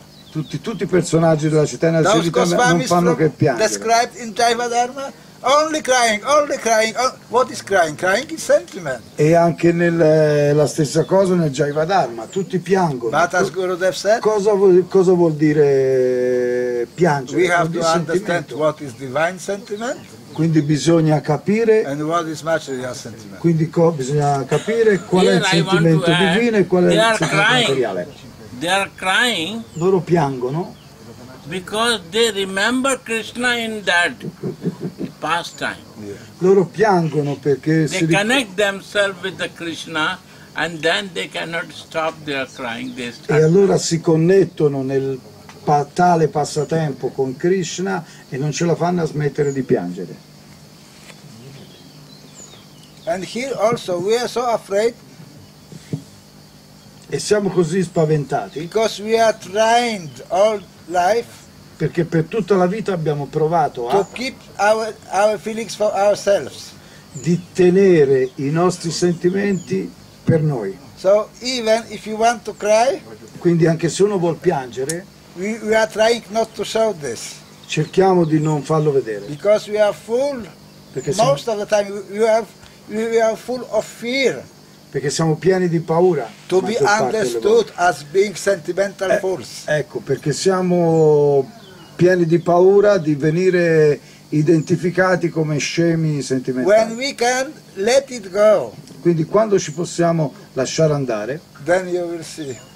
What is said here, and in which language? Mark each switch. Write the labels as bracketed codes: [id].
[it] Tutti i personaggi della città della Charitamrita non fanno che piangere. [en] Described in Jaiva Dharma. Only crying. What is crying? Crying is sentiment. [it] E anche la stessa cosa nel Jaiva Dharma, tutti piangono. [en] But as Gurudev said, [it] cosa vuol dire piangere? [en] We have to understand what is divine sentiment. [it] Quindi bisogna capire. [en] And what is material sentiment. [it] Quindi bisogna capire qual [en] Here [it] è il sentimento divino e qual è il sentimento materiale. [en] They are crying. [it] Loro piangono. [en] Because they remember Krishna in that past time. Yeah. [it] Loro piangono perché [en] they connect themselves with the Krishna and then they cannot stop their crying. They start [it] e allora si connettono nel tale passatempo con Krishna e non ce la fanno a smettere di piangere. [en] And here also we are so afraid. [it] E siamo così spaventati. [en] Because we are trained all life. [it] Perché per tutta la vita abbiamo provato [en] to keep our feelings for ourselves. [it] Di tenere i nostri sentimenti per noi. [en] So even if you want to cry, [it] quindi anche se uno vuol piangere, [en] we are trying not to show this. [it] Cerchiamo di non farlo vedere. [en] Because we are full, perché most of the time we are full of fear. [it] Perché siamo pieni di paura. [en] To be understood as being sentimental fools. [it] Ecco, perché siamo pieni di paura di venire identificati come scemi sentimentali. [en] When we can let it go. [it] Quindi quando ci possiamo lasciare andare. [en] Then you will see.